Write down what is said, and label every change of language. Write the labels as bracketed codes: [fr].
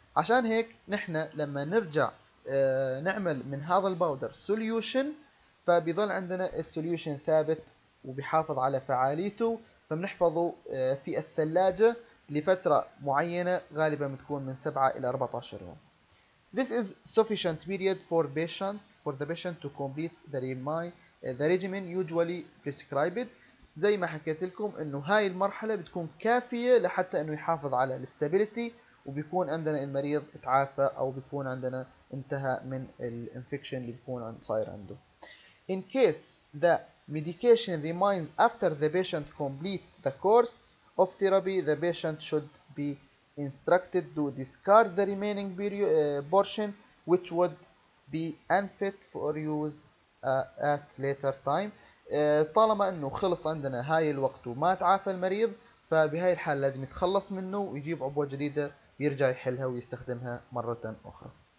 [ar] عشان هيك نحن لما نرجع نعمل من هذا الباودر سوليوشن فبيظل عندنا السوليوشن ثابت وبيحافظ على فعاليته، فبنحفظه في الثلاجة لفترة معينة غالبا بتكون من 7 الى 14 يوم. [en] This is sufficient period for the patient to complete the regimen usually prescribed. [ar] زي ما حكيت لكم انه هاي المرحلة بتكون كافية لحتى انه يحافظ على الاستابيليتي وبيكون عندنا المريض تعافى او بيكون عندنا انتهى من الانفكشن اللي بيكون صاير عنده. [en] In case the medication remains after the patient complete the course of therapy, the patient should be instructed to discard the remaining portion which would be unfit for use at later time. [ar] طالما انه خلص عندنا هاي الوقت وما تعافى المريض فبهاي الحال لازم يتخلص منه ويجيب عبوة جديدة يرجع يحلها ويستخدمها مرة أخرى.